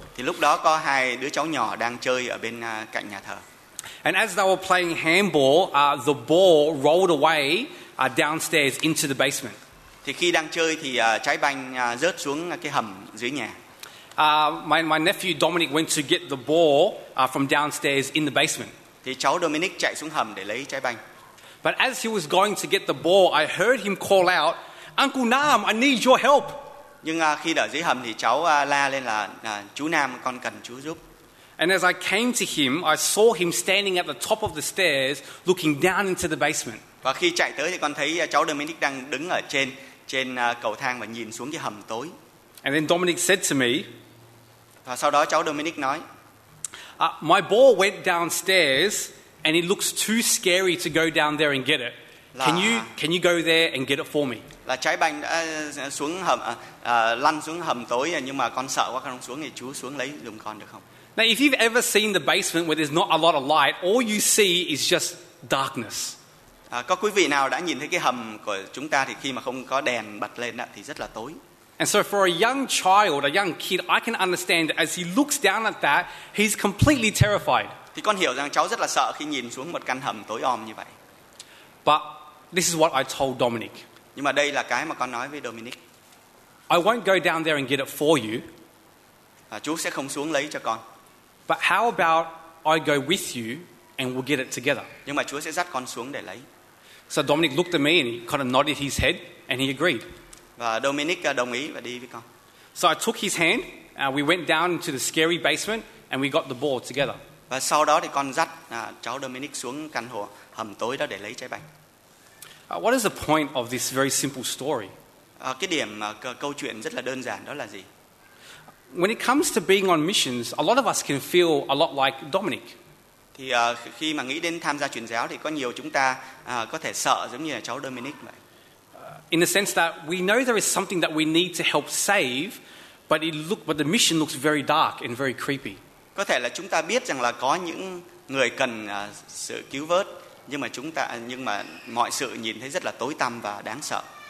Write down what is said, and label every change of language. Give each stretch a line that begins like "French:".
Vietnamese: Thì lúc đó có hai đứa cháu nhỏ đang chơi ở bên cạnh nhà thờ.
English: And as they were playing handball, the ball rolled away downstairs into the basement.
Vietnamese: Thì khi đang chơi thì trái banh rớt xuống cái hầm dưới nhà.
English: My nephew Dominic went to get the ball from downstairs in the basement.
Vietnamese: Thì cháu Dominic chạy xuống hầm để lấy trái banh.
English: But as he was going to get the ball, I heard him call out, "Uncle Nam, I need your help."
Vietnamese: Nhưng khi ở dưới hầm thì cháu la lên là chú Nam, con cần chú giúp.
English: And as I came to him, I saw him standing at the top of the stairs, looking down into the basement.
Vietnamese: Và khi chạy tới thì con thấy cháu Dominic đang đứng ở trên cầu thang và nhìn xuống dưới hầm tối.
English: And then Dominic said to me.
Vietnamese: Và sau đó cháu Dominic nói,
English: "My ball went downstairs. And it looks too scary to go down there and get it. Can you go there and get it for me?"
Vietnamese: Là trái banh đã xuống hầm, lăn xuống hầm tối, nhưng mà con sợ quá, con không xuống, thì chú xuống lấy giùm con được không?
English: Now, if you've ever seen the basement where there's not a lot of light, all you see is just darkness.
Vietnamese: Có quý vị nào đã nhìn thấy cái hầm của chúng ta thì khi mà không có đèn bật lên thì rất là tối.
English: And so for a young child, a young kid, I can understand that as he looks down at that, he's completely terrified.
Vietnamese: Thì con hiểu rằng cháu rất là sợ khi nhìn xuống một căn hầm tối om như vậy.
English: But this is what I told Dominic.
Vietnamese: Nhưng mà đây là cái mà con nói với Dominic.
English: I won't go down there and get it for you.
Vietnamese: Chú sẽ không xuống lấy cho con.
English: But how about I go with you and we'll get it together?
Vietnamese: Nhưng mà Chúa sẽ dắt con xuống để lấy.
English: So Dominic looked at me and he kind of nodded his head and he agreed.
Vietnamese: Và Dominic đồng ý và đi với con.
English: So I took his hand and we went down into the scary basement and we got the ball together.
Vietnamese: Và sau đó thì con dắt cháu Dominic xuống căn hộ hầm tối đó để lấy trái banh.
English: What is the point of this very simple story?
Vietnamese: Cái điểm câu chuyện rất là đơn giản đó là gì?
English: When it comes to being on missions, a lot of us can feel a lot like Dominic.
Vietnamese: Thì khi mà nghĩ đến tham gia truyền giáo thì có nhiều chúng ta có thể sợ giống như là cháu Dominic vậy.
English: In the sense that we know there is something that we need to help save, but the mission looks very dark and very creepy.
Vietnamese: Có thể là chúng ta biết rằng là có những người cần sự cứu vớt, nhưng mà mọi sự nhìn thấy rất là tối tăm và đáng sợ.